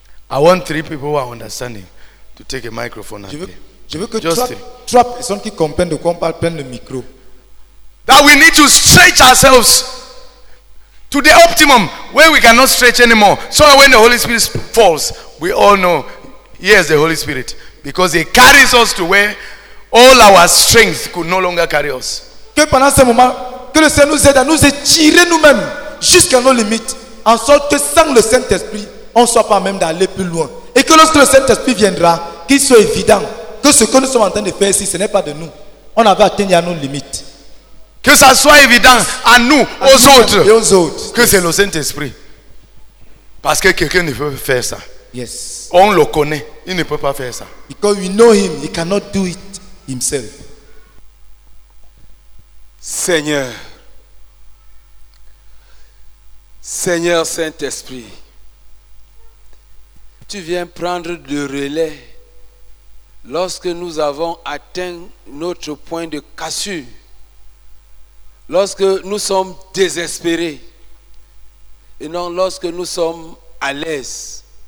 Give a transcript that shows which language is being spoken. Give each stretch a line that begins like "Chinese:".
English: I want three people who are understanding to take a microphone.
French: Je veux que trois personnes qui comprennent de quoi on parle prennent le micro.
English: That we need to stretch ourselves to the optimum where we cannot stretch anymore. So when the Holy Spirit falls, we all know he is the Holy Spirit because he carries us to where all our strength could no longer carry us.
French: Que pendant ce moment, que le Seigneur nous aide à nous étirer nous-mêmes jusqu'à nos limites, en sorte que sans le Saint-Esprit, on ne soit pas même d'aller plus loin. Et que lorsque le Saint-Esprit viendra, qu'il soit évident que ce que nous sommes en train de faire ici, ce n'est pas de nous. On avait atteint à nos limites. Que ça soit évident à nous, aux autres, et aux autres, que c'est le Saint-Esprit. Parce que quelqu'un ne peut faire ça.
English: Yes.
French: On le connaît, il ne peut pas faire ça.
English: Because we know him, he cannot do it. Himself.
French: Seigneur, Seigneur Saint-Esprit, tu viens prendre le relais lorsque nous avons atteint notre point de cassure, lorsque nous sommes désespérés et non lorsque nous sommes à l'aise.